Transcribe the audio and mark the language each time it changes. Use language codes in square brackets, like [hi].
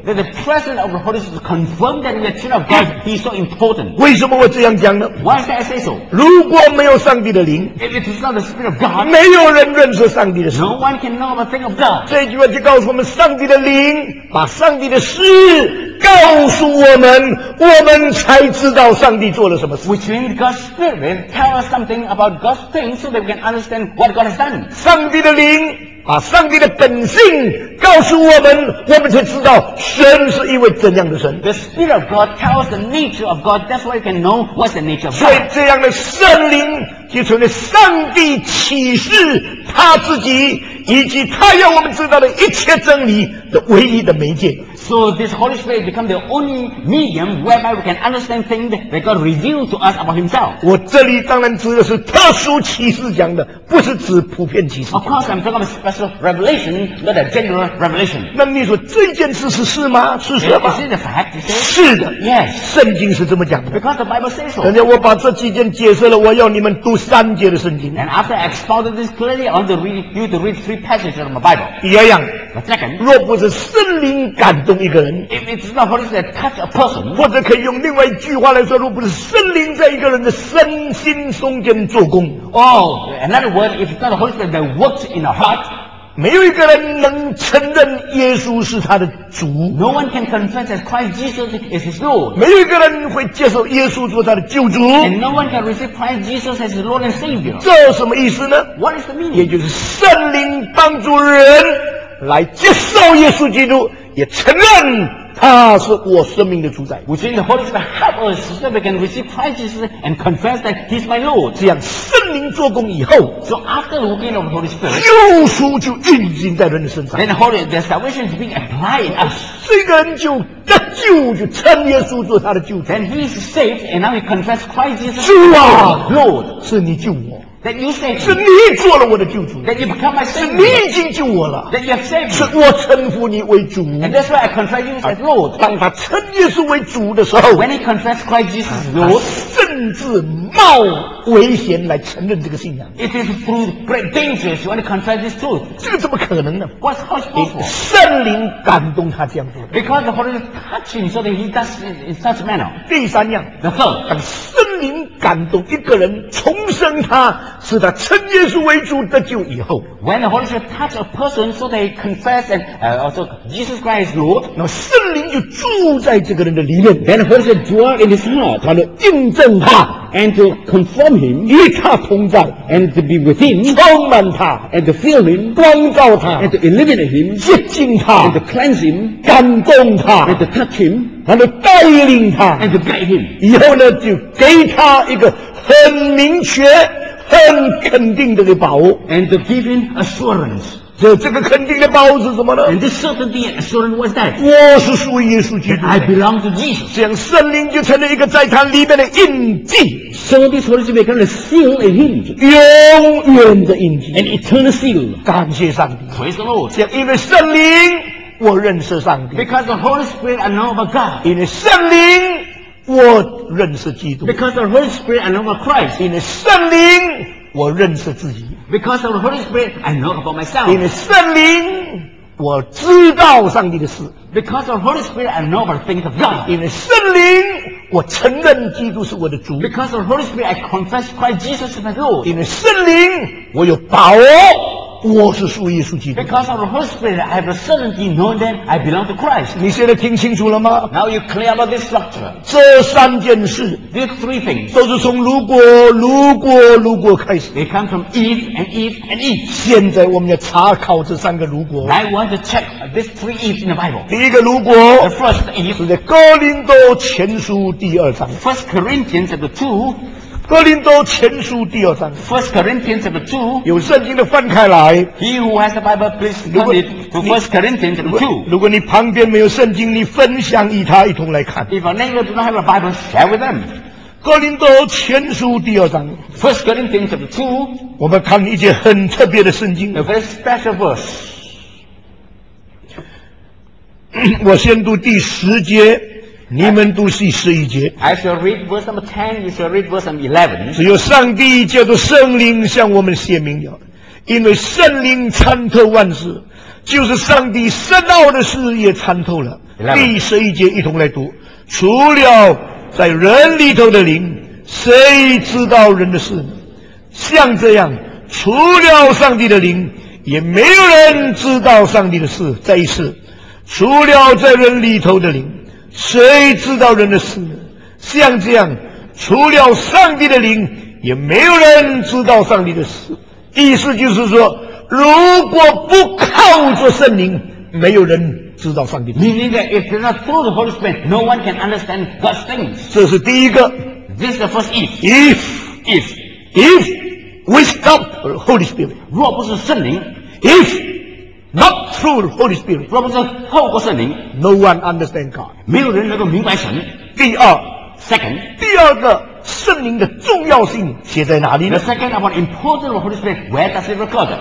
[en] that the presence of the Holy Spirit confirmed that the children of God is so important [zh] 为什么我这样讲呢 [en] why should I say so [zh] 如果没有上帝的灵 [en] if it is not the Spirit of God [zh] 没有人认识上帝的事 [en] no one can know the thing of God [zh] 这句话就告诉我们上帝的灵把上帝的事告诉我们我们才知道上帝做了什么事 [en] which means God's Spirit tell us something about God's thing so that we can understand what God has done [zh] 上帝的灵把上帝的本性告诉我们，我们才知道神是一位怎样的神。 [en] The Spirit of God tells the nature of God. That's why you can know what's the nature of God. [zh] 所以这样的圣灵就成了上帝启示他自己以及他要我们知道的一切真理的唯一的媒介。 [en] So this Holy Spirit becomes the only medium whereby we can understand things that God revealed to us about Himself. [zh] 我这里当然指的是特殊启示讲的，不是指普遍启示。 [en] Of course, I'm talking about special revelation, not a general revelation. [zh] 那你说这件事是事吗？是什么？ [en] Is it a fact? You say? [zh] 是的。 [en] Yes. [zh] 圣经是这么讲的。 [en] Because the Bible says so. [zh] 等下我把这几件解释了，我要你们读三节的圣经。 [en] And after I expounded this clearly, I want to read you to read three passages from the Bible. [zh] 第二样。 [en] The second. [zh] 若不是圣灵感动一个人， [en] if it's not Holy Spirit touch a person, [zh] 或者可以用另外一句话来说，若不是圣灵在一个人的身心中间做工， [en] oh, another word, if it's not the Holy Spirit that works in a heart, [zh] 没有一个人能承认耶稣是他的主， [en] no one can confess that Christ Jesus is his Lord, [zh] 没有一个人会接受耶稣做他的救主， [en] and no one can receive Christ Jesus as his Lord and Savior. [zh] 这什么意思呢？ [en] What is the meaning? [zh] 也就是圣灵帮助人来接受耶稣基督，也承认他是我生命的主宰。 [en] Which in the Holy Spirit help us so we can receive Christ Jesus and confess that He's my Lord. [zh] 这样圣灵做工以后 [en] ，So after the working of the Holy Spirit， [zh] 救赎就运行在人的身上。 [en] Then the salvation is being applied in us. [zh] 这个人就得救，就称耶稣做他的救主。 [en] Then he is saved and now he confess Christ Jesus. [zh] 主啊 [en] ，Lord， [zh] 是你救我。 [en] That you saved me. [zh] 是你做了我的救主。 [en] That you become my savior. [zh] 是你已经救我了。 [en] That you have saved me. [zh] 是我称呼你为主。 [en] And that's why I confess you as Lord. [zh] 当他称耶稣为主的时候 [en] ，When he confessed Christ Jesus as Lord, [zh] 甚至冒危险来承认这个信仰。 [en] It is through great dangers you want to confess this truth. [zh] 这个怎么可能呢 [en] ？What's possible? [zh] 圣灵感动他这样做的。 [en] Because the Holy Spirit touched him so that he does it in such manner. [zh] 第三样 [en] ，The third. [zh] 当圣灵感动一个人重生他。是他称耶稣为主得救以后 [en] When the Holy Spirit touch a person so they confess and also Jesus Christ is Lord [zh] 那圣灵就住在这个人的里面 [en] Then the Holy Spirit dwell in his heart [zh] 他能印证他 [en] And to confirm him [zh] 与他同在 [en] And to be with him [zh] 充满他 [en] And to fill him [zh] 光照他 [en] And to illuminate him [zh] 洁净他 [en] And to cleanse him [zh] 感动他 [en] And to touch him [zh] 然后带领他 [en] And to guide him [zh] 以后呢就给他一个很明确很肯定的一个把握 [en] and to give him assurance [zh] 这个肯定的把握是什么呢 [en] and this certainty and assurance was that [zh] 我是属于耶稣基督 [en] I belong to Jesus [zh] 这样圣灵就成了一个在他里面的印记 [en] so this Holy Spirit became a seal in him [zh] 永远的印记 [en] an eternal seal [zh] 感谢上帝 [en] praise the Lord [zh] 这样因为圣灵我认识上帝 [en] because the Holy Spirit I know about God [zh] 因为圣灵我认识基督 [en] Because of the Holy Spirit I know about Christ [zh] 因为圣灵我认识自己 [en] Because of the Holy Spirit I know about myself [zh] 因为圣灵我知道上帝的事 [en] Because of the Holy Spirit I know about things of God [zh] 因为圣灵我承认基督是我的主 [en] Because of the Holy Spirit I confess Christ Jesus is my Lord [zh] 因为圣灵我有把握我是属耶稣基督 [en] Because of the Holy Spirit I have a certainty knowing that I belong to Christ [zh] 你现在听清楚了吗 [en] Now you clear about this structure [zh] 这三件事 [en] These three things [zh] 都是从如果如果如果开始 [en] They come from if and if and if [zh] 现在我们要查考这三个如果 [en] I want to check these three ifs in the Bible [zh] 第一个如果 [en] The first if [zh] 是在哥林多前书第二章 [en] First Corinthians chapter 2 [zh] 哥林多前书第二章 [en] First Corinthians chapter 2 [zh] 有圣经的翻开来 [en] He who has the Bible please turn it to First Corinthians chapter 2 [zh] 如果你旁边没有圣经你分享与他一同来看 [en] If a neighbor does not have a Bible share with them [zh] 哥林多前书第二章 [en] First Corinthians chapter 2 [zh] 我们看一节很特别的圣经 [en] A very special verse [zh] 我先读第十节你们读第十一节 [en] I shall read verse number 10 You shall read verse number 11 [zh] 只有上帝叫做圣灵向我们显明了因为圣灵参透万事就是上帝深奥的事也参透了第十一节一同来读除了在人里头的灵谁知道人的事呢像这样除了上帝的灵也没有人知道上帝的事再一次除了在人里头的灵谁知道人的事呢像这样除了上帝的灵也没有人知道上帝的事意思就是说如果不靠着圣灵，没有人知道上帝。 [en] Meaning that if it's not through the Holy Spirit, no one can understand God's things. [zh] 这是第一个。 [en] This is the first if. If without the Holy Spirit, [zh] 若不是圣灵 [en] ，if not through the Holy Spirit, [zh] 若不是透过圣灵 [en] ，no one understand God. [zh] 没有人能够明白神。第二 [en] ，second， [zh] 第二个。圣灵的重要性写在哪里呢 [en] ？The second of the importance of Holy Spirit, where does it record?